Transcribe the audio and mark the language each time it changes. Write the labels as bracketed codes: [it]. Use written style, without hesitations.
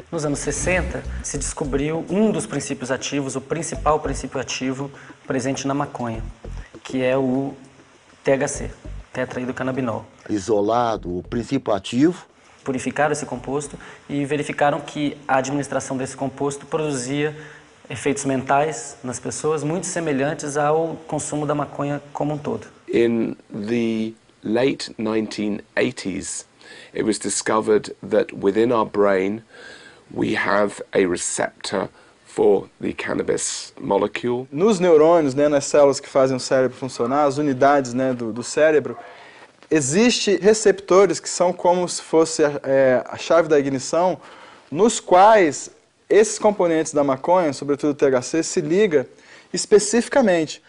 [pt] Nos anos 60, se descobriu um dos princípios ativos, o principal princípio ativo presente na maconha, que é o THC, tetraidrocannabinol. Isolado, o princípio ativo. Purificaram esse composto e verificaram que a administração desse composto produzia efeitos mentais nas pessoas muito semelhantes ao consumo da maconha como um todo. [en] In the late 1980s, it was discovered that within our brain we have a receptor for the cannabis molecule. [pt] Nos neurônios, né, nas células que fazem o cérebro funcionar, as unidades, né, do cérebro, existe receptores que são como se fosse a chave da ignição, nos quais esses componentes da maconha, sobretudo o THC, se liga especificamente.